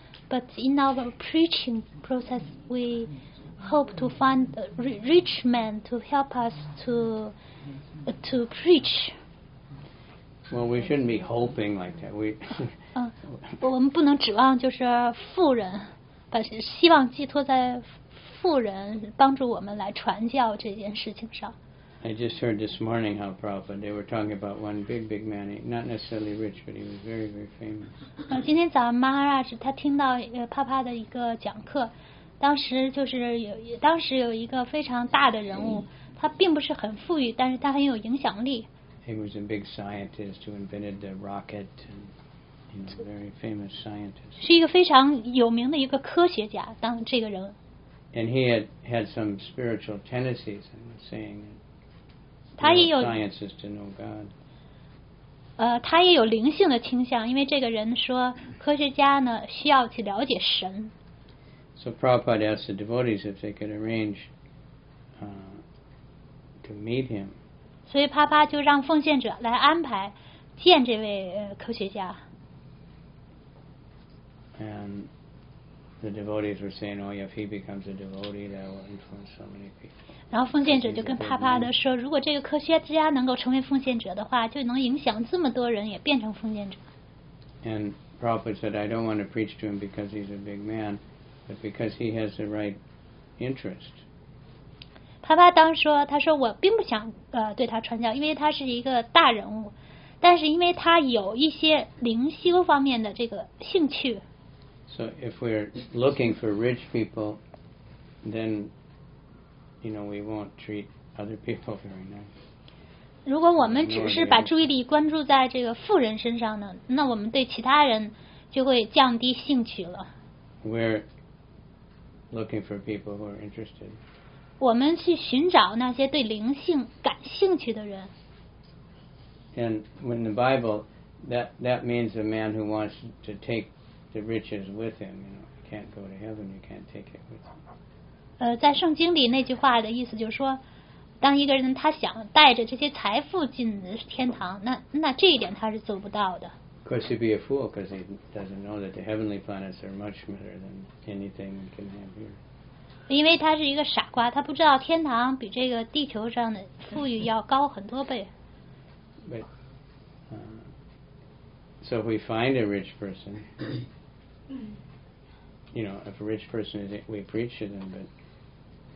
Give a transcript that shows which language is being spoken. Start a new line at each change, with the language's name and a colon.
English: But in our preaching process, we hope to find a rich man to help us to preach. Well, we shouldn't be hoping like that. We
Chinese: 我们不能指望就是富人，把希望寄托在富人帮助我们来传教这件事情上。
English: I just heard this morning how Prabhupada, they were talking about one big man, not necessarily rich, but he was very, very famous.
Chinese: 今天早上 Maharaj 他听到帕帕的一个讲课，当时有一个非常大的人物，他并不是很富裕，但是他很有影响力。
English: He was a big scientist who invented the rocket and he's a very famous scientist.
Chinese: 是一个非常有名的一个科学家，当这个人。
English: And he had some spiritual tendencies and was saying sciences to know God.
Chinese: 他也有灵性的倾向，因为这个人说科学家呢需要去了解神。
English: So Prabhupada asked the devotees if they could arrange to meet him.
Chinese: 所以帕帕就让奉献者来安排见这位科学家。
English: And the devotees were saying, oh, if he becomes a devotee, that will influence so many people.
Chinese: 然后奉献者就跟帕帕的说，如果这个科学家能够成为奉献者的话，就能影响这么多人也变成奉献者。
English: And Prabhupada said, I don't want to preach to him because he's a big man. But because he has the right interest.
Chinese: 帕帕当说，他说我并不想对他传教，因为他是一个大人物，但是因为他有一些灵修方面的这个兴趣。
English: So if we're looking for rich people, then, you know, we won't treat other people very nice.
Chinese: 如果我们只是把注意力关注在这个富人身上呢，那我们对其他人就会降低兴趣了。
English: Looking for people who are interested.
Chinese: 我们去寻找那些对灵性感兴趣的人。
English: And when the Bible, that means a man who wants to take the riches with him. You know, can't go to heaven. You can't take it with him.
Chinese: 在圣经里那句话的意思就是说，当一个人他想带着这些财富进天堂，那这一点他是做不到的。
English: Of course, he'd be a fool because he doesn't know that the heavenly planets are much better than anything we can have here.
Chinese: 因为他是一个傻瓜，他不知道天堂比这个地球上的富裕要高很多倍。
English: But, so if we find a rich person, you know, if a rich person is, we preach to them, but